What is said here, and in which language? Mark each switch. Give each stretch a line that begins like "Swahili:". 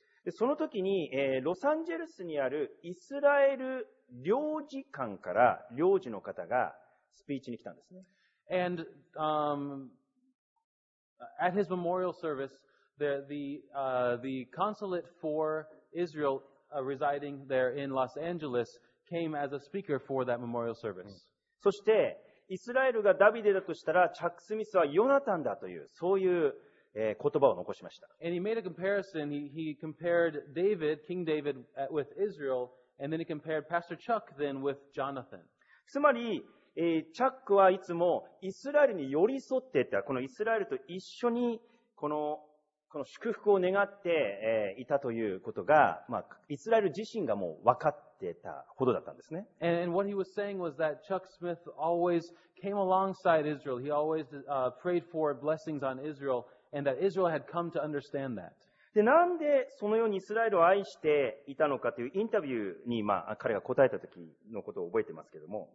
Japanese: で、その時に、ロサンゼルスにあるイスラエル領事館から領事の方がスピーチに来たんですね。
English: And, at his memorial service, the consulate for Israel residing there in Los Angeles came as a speaker for that memorial service.
Japanese: そしてイスラエルがダビデだとしたらチャック・スミスはヨナタンだというそういう、言葉を残しました。
English: And he made a comparison. He compared David, King David, with Israel, and then he compared Pastor Chuck then with Jonathan.
Japanese: つまり、チャックはいつもイスラエルに寄り添っていた、このイスラエルと一緒にこの祝福を願って、いたということが、まあ、イスラエル自身がもう分かってたほどだったんですね。
English: And what he was saying was that Chuck Smith always came alongside Israel. He always prayed for blessings on Israel, and that Israel had come to understand that.
Japanese: で、なんでそのようにイスラエルを愛していたのかというインタビューに、まあ、彼が答えた時のことを覚えてますけども。